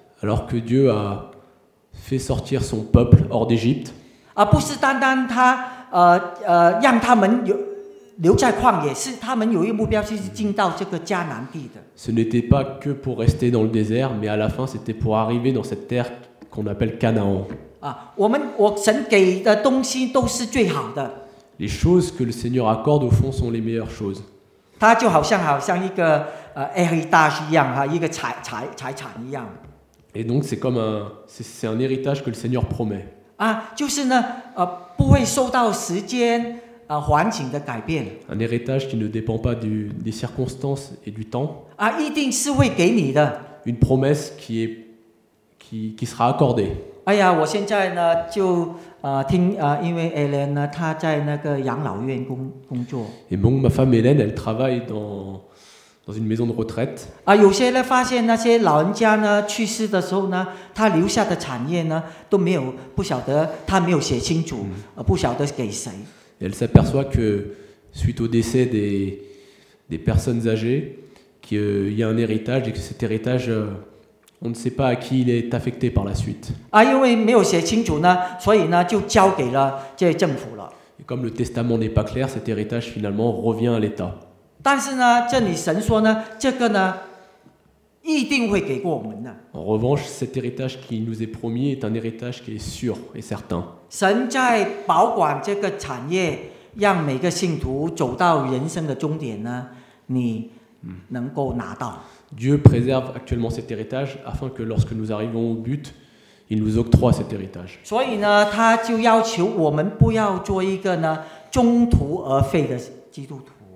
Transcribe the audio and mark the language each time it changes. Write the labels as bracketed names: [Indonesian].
[French] Alors que Dieu a fait sortir son peuple hors d'Égypte. [Chinese] 啊，不是单单他让他们留在旷野，是他们有一个目标，就是进到这个迦南地的。 [French] Ce n'était pas que pour rester dans le désert, mais à la fin c'était pour arriver dans cette terre qu'on appelle Canaan. [Chinese] 我神给的东西都是最好的。 [French] Les choses que le Seigneur accorde au fond sont les meilleures choses. [Chinese] 它就好像一个heritage 一样哈，一个财产一样。 [French] Et donc c'est comme c'est un héritage que le Seigneur promet. [Chinese] 啊，就是呢，不会受到时间环境的改变。 [French] Un héritage qui ne dépend pas des circonstances et du temps. [Chinese] 啊，一定是会给你的。 [French] Une promesse qui sera accordée. [Chinese] 哎呀，我现在呢就听因为 Hélène 呢，她在那个养老院工作。 [French] Et bon, ma femme Hélène, elle travaille dans une maison de retraite. [Chinese] 啊，有些人发现那些老人家呢去世的时候呢，他留下的产业呢都没有，不晓得他没有写清楚，不晓得给谁。 [French] Elle s'aperçoit que suite au décès des personnes âgées, qu'il y a un héritage et que cet héritage on ne sait pas à qui il est affecté par la suite. [Chinese] 啊，因为没有写清楚呢，所以呢就交给了这政府了。 [French] Et comme le testament n'est pas clair, cet héritage finalement revient à l'État. [Chinese] 但是呢，这里神说呢，这个呢一定会给过我们的。 [French] En revanche, cet héritage qui nous est promis est un héritage qui est sûr et certain. [Chinese] 神在保管这个产业，让每个信徒走到人生的终点呢，你能够拿到。 [French] Dieu préserve actuellement cet héritage afin que lorsque nous arrivons au but, il nous octroie cet héritage. [Chinese] 所以呢，他就要求我们不要做一个呢中途而废的基督徒。